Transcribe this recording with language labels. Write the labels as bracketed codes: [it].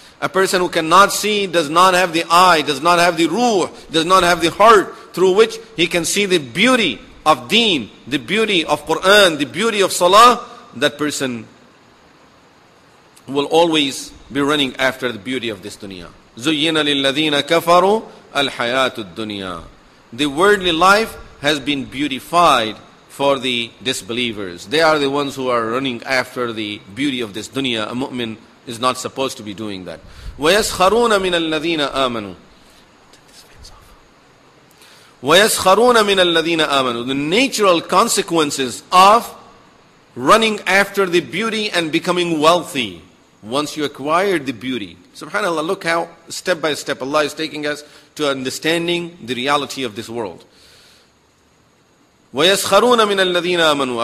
[en] A person who cannot see, does not have the eye, does not have the ruh, does not have the heart through which he can see the beauty of deen, the beauty of Quran, the beauty of salah, that person will always be running after the beauty of this dunya. [ar] زُيِّنَ لِلَّذِينَ كَفَرُوا الْحَيَاةُ الدُّنْيَا. [en] The worldly life has been beautified for the disbelievers. They are the ones who are running after the beauty of this dunya. A mu'min is not supposed to be doing that. [ar] ويسخرون من الذين آمنوا ويسخرون من الذين آمنوا. [en] The natural consequences of running after the beauty and becoming wealthy once you acquired the beauty. Subhanallah, look how step by step Allah is taking us to understanding the reality of this world. [ar] وَيَسْخَرُونَ مِنَ الَّذِينَ آمَنُوا.